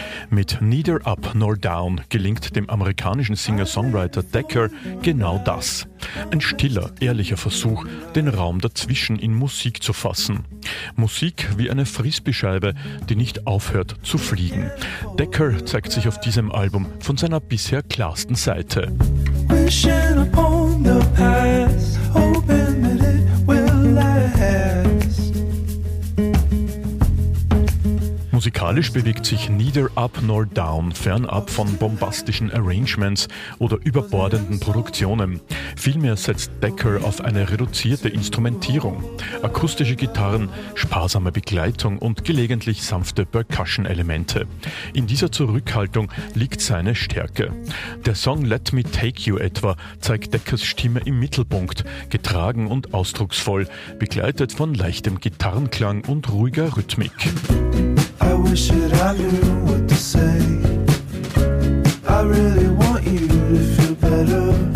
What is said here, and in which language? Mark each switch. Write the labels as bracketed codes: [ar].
[de] Mit Neither Up Nor Down gelingt dem amerikanischen Singer-Songwriter Decker genau das. Ein stiller, ehrlicher Versuch, den Raum dazwischen in Musik zu fassen. Musik wie eine Frisbeescheibe, die nicht aufhört zu fliegen. Decker zeigt sich auf diesem Album von seiner bisher klarsten Seite. [en] Wishing upon the past, hoping that it will last. [de] Musikalisch bewegt sich Neither Up Nor Down fernab von bombastischen Arrangements oder überbordenden Produktionen. Vielmehr setzt Decker auf eine reduzierte Instrumentierung. Akustische Gitarren, sparsame Begleitung und gelegentlich sanfte Percussion-Elemente. In dieser Zurückhaltung liegt seine Stärke. Der Song Let Me Take You etwa zeigt Deckers Stimme im Mittelpunkt, getragen und ausdrucksvoll, begleitet von leichtem Gitarrenklang und ruhiger Rhythmik. [en] I wish that I knew what to say. I really want you to feel better.